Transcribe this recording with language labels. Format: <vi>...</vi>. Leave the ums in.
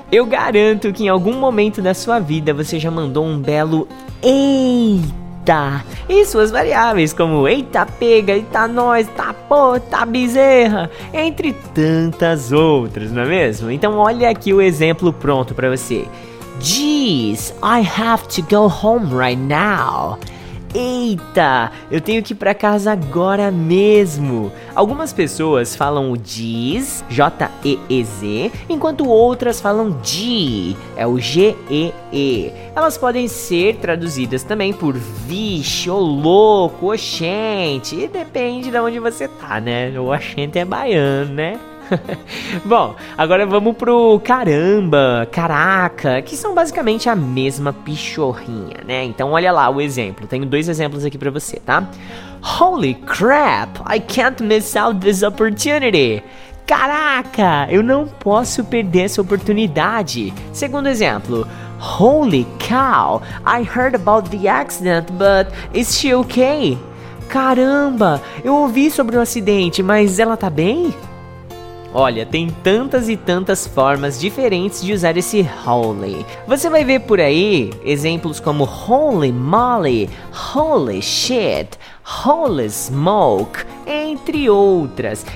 <pt>Eu garanto que em algum momento da sua vida você já mandou um belo eita e suas variáveis como eita pega, eita nós, tá pô, tá bezerra, entre tantas outras, não é mesmo? Então olha aqui o exemplo pronto para você.</pt> <en>Geez, I have to go home right now.</en> <pt>Eita, eu tenho que ir para casa agora mesmo. Algumas pessoas falam o diz, J E E Z, enquanto outras falam di, é o G E E. Elas podem ser traduzidas também por vixe, ô louco, ô gente, e depende de onde você tá, né? O gente é baiano, né? Bom, agora vamos pro caramba, caraca, que são basicamente a mesma pichorrinha, né? Então olha lá o exemplo. Tenho dois exemplos aqui para você, tá?</pt> <en>Holy crap, I can't miss out this opportunity.</en> <pt>Caraca, eu não posso perder essa oportunidade. Segundo exemplo,</pt> <en>Holy cow, I heard about the accident, but is she okay?</en> <pt>Caramba, eu ouvi sobre o um acidente, mas ela tá bem? Olha, tem tantas e tantas formas diferentes de usar esse holy. Você vai ver por aí exemplos como holy moly, holy shit, holy smoke, entre outras.</pt>